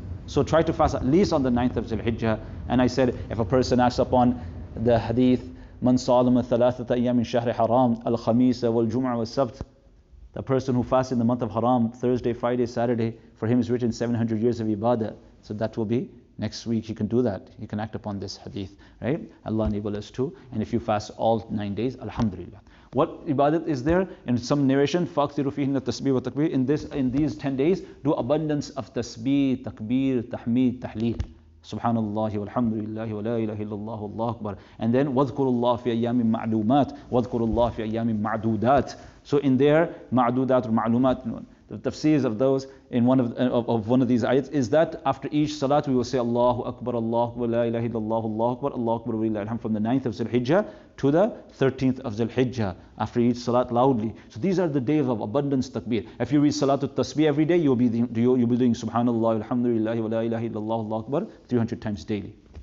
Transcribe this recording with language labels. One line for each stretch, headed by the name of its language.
English: So try to fast at least on the 9th of Zulhijjah. And I said, if a person asks upon the hadith,
Arabic: من صالم الثلاثة أيام من شهر حرام الخميس والجمعة والسبت,
English: the person who fasts in the month of Haram, Thursday, Friday, Saturday, for him is written 700 years of ibadah. So that will be next week. He can do that. He can act upon this hadith, right? Allah enable us to. And if you fast all 9 days, alhamdulillah. What ibadat is there? In some narration,
Arabic: فَاكْثِرُ فِيهِنَّ التَّسْبِيحِ وَتَكْبِيرِ.
English: In these 10 days, do abundance of tasbih, takbir, tahmid, tahleel. Subhanallah, walhamdulillah, wa la ilaha illallah, Allahu Akbar. And then,
Arabic: وَذْكُرُ اللَّهِ فِي أَيَّامٍ مَعْلُومَاتٍ وَذْكُرُ اللَّهِ فِي أَيَّامٍ مَعْدُودَاتٍ.
English: So in there, ma'dudat or ma'lumat. The tafsir of those in one of these ayats is that after each salat we will say Allahu Akbar, Allahu Akbar, la ilaha illallah, Allahu Akbar, Allahu Akbar, wa ilaha, from the 9th of Zulhijjah to the 13th of Zulhijjah, after each salat loudly. So these are the days of abundance takbir. If you read Salatul Tasbih every day, you'll be doing Subhanallah, Alhamdulillah, wa la ilaha illallah, Allahu Akbar, 300 times daily.